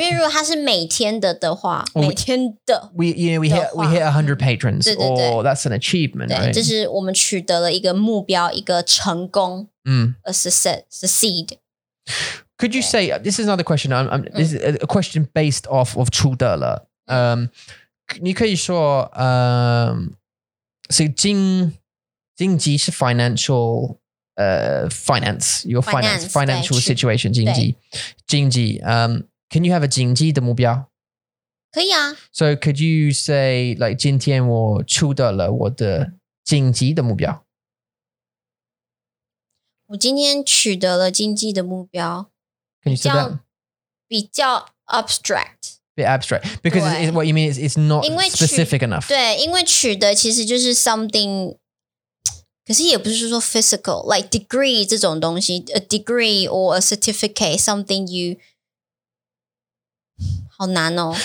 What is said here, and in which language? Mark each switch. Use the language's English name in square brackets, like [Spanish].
[Chinese] 因为如果它是每天的的话，每天的 [English] we hit 100 patrons, [Chinese] 对对对, [English] or that's an achievement. [Chinese] 对, [English] right? [Chinese] 就是我们取得了一个目标，一个成功. [English] A succeed. Could you say this is another question? This is a question based off of 取得了. So [Chinese] 经济是 [English] financial. Financial situation, 经济, 经济, can you have a [Chinese] 经济的目标? 可以啊. [English] So could you say like [Chinese] 今天我取得了我的经济的目标? 我今天取得了经济的目标. [English] Can you say that? [Chinese] 比较 abstract. [English] A bit abstract. Because it's, what you mean is it's not specific enough. [Chinese] 对,因为取得其实就是 [English] something. [Chinese] 可是也不是说 [English] physical, like degree [Chinese] 这种东西, [English] a degree or a certificate, something you, [Chinese] 好难哦.